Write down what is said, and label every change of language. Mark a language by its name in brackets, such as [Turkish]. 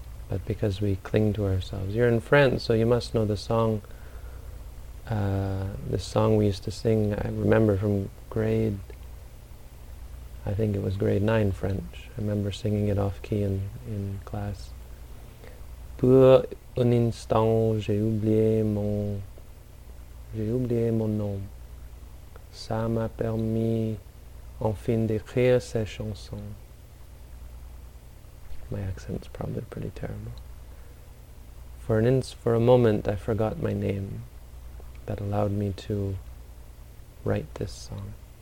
[English] But because we cling to ourselves. You're in France, so you must know the song. This song we used to sing, I remember from grade, I think it was grade 9 French. I remember singing it off key in class. [French] Pour un instant, j'ai oublié mon nom. Ça m'a permis enfin d'écrire cette chanson. [English] My accent's probably pretty terrible. For a moment, I forgot my name that allowed me to write this song.